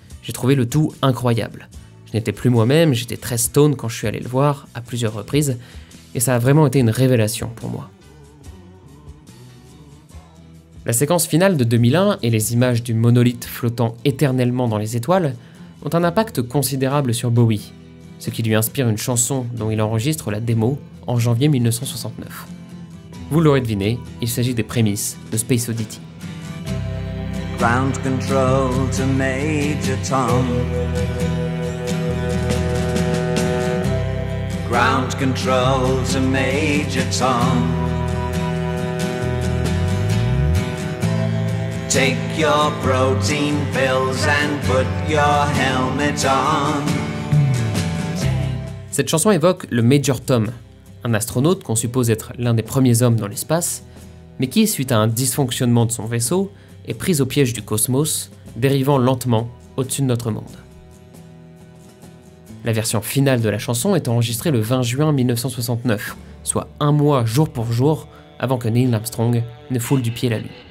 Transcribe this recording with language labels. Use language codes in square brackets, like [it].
[fr] J'ai trouvé le tout incroyable. Je n'étais plus moi-même, j'étais très stone quand je suis allé le voir, à plusieurs reprises, et ça a vraiment été une révélation pour moi. » La séquence finale de 2001 et les images du monolithe flottant éternellement dans les étoiles ont un impact considérable sur Bowie, ce qui lui inspire une chanson dont il enregistre la démo en janvier 1969. Vous l'aurez deviné, il s'agit des prémices de Space Oddity. [en] Ground control to Major Tom. Ground control to Major Tom. Take your protein pills and put your helmet on. [fr] Cette chanson évoque le Major Tom, un astronaute qu'on suppose être l'un des premiers hommes dans l'espace, mais qui, suite à un dysfonctionnement de son vaisseau, est pris au piège du cosmos, dérivant lentement au-dessus de notre monde. La version finale de la chanson est enregistrée le 20 juin 1969, soit un mois jour pour jour avant que Neil Armstrong ne foule du pied la Lune.